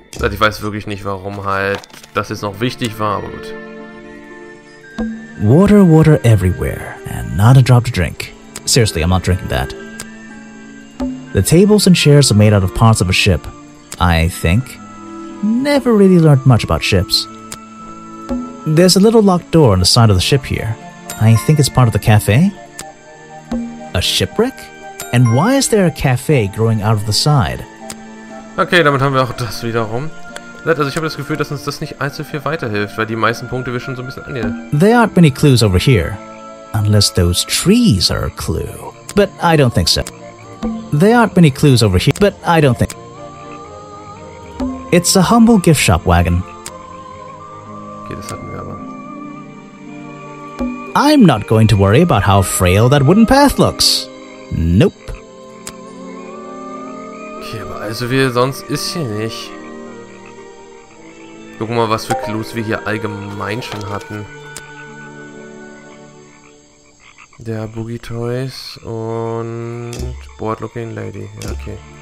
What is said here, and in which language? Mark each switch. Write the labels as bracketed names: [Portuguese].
[German] Ich weiß wirklich nicht, warum halt das jetzt noch wichtig war, aber gut. [English] Water, water everywhere, and not a drop to drink. Seriously, I'm not drinking that. The tables and chairs are made out of parts of a ship, I think. Never really learned much about ships. There's a little locked door on the side of the ship here. I think it's part of the cafe. A shipwreck? And why is there a cafe growing out of the side? [German] Okay, damit haben wir auch das wiederum. Also ich habe das Gefühl, dass uns das nicht allzu viel weiterhilft, weil die meisten Punkte wir schon so ein bisschen annehmen. [English] There aren't many clues over here. Unless those trees are a clue. But I don't think so. There aren't many clues over here, but I don't think... It's a humble gift shop wagon. [German] Okay, das hatten wir aber. [English] I'm not going to worry about how frail that wooden path looks. Nope. [German] Okay, aber also wie sonst ist hier nicht. Guck mal, was für Clues wir hier allgemein schon hatten. Der Boogie Toys und Bored Looking Lady. Ja, okay.